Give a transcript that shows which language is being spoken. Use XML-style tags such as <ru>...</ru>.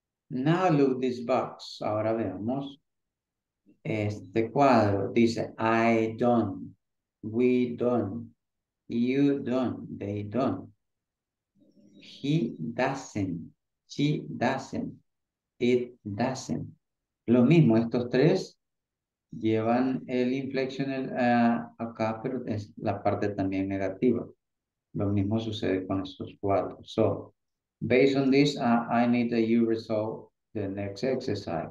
<en>Now look this box. Ahora veamos este cuadro. Dice I don't, we don't, you don't, they don't, he doesn't, she doesn't, it doesn't.</en> <es>Lo mismo, estos tres llevan el inflectional acá, pero es la parte también negativa. Lo mismo sucede con estos cuatro.</es> <en>So, based on this, I need that you resolve the next exercise.</en>